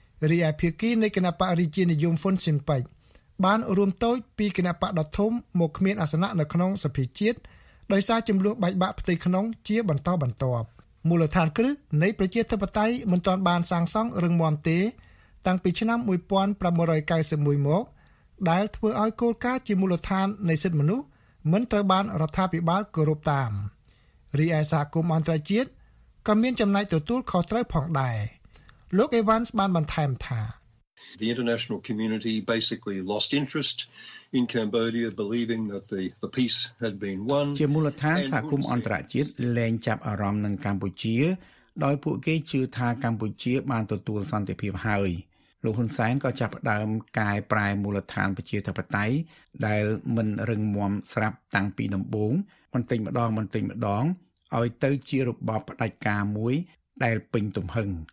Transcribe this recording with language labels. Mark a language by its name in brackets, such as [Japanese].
[Khmer] រីឯភាគីនៃគណបករាជានិយមហ៊ុនស៊ិនប៉ិចបានរួមតូចពីគណបកដ៏ធំមកគ្មានអាសនៈនៅក្នុងសភាជាតិដោយសារចំនួនបែកបាក់ផ្ទៃក្នុងជាបន្តបន្ទាប់មូលដ្ឋានគ្រឹះនៃប្រជាធិបតេយ្យមិនទាន់បានសាងសង់រឹងមាំទេតាំងពីឆ្នាំ 1991មកដែលធ្វើឲ្យគោលការណ៍ជាមូលដ្ឋាននៃសិទ្ធិមនុស្សមិនត្រូវបានរដ្ឋាភិបាលគោរពតាមរីឯសហគមន៍អន្តរជាតិក៏មានចំណែកទទួលខុសត្រូវផងដែរលោក Evans បានបន្ថែមថា [English] The international community basically lost interest in Cambodia believing that the peace had been won [Khmer] ជាមូលដ្ឋានសហគមន៍អន្តរជាតិលែងចាប់អារម្មណ៍នឹងកម្ពុជាដោយពួកគេជឿថាកម្ពុជាបានទទួលសន្តិភាពហើយលោកហ៊ុនសែនក៏ចាប់ផ្ដើមកែប្រែមូលដ្ឋានប្រជាធិបតេយ្យដែលមិនរឹងមាំស្រាប់តាំងពីដំបូងបន្តិចម្ដងបន្តិចម្ដងឲ្យទៅជារបបផ្ដាច់ការមួយដែលពេញទំហឹង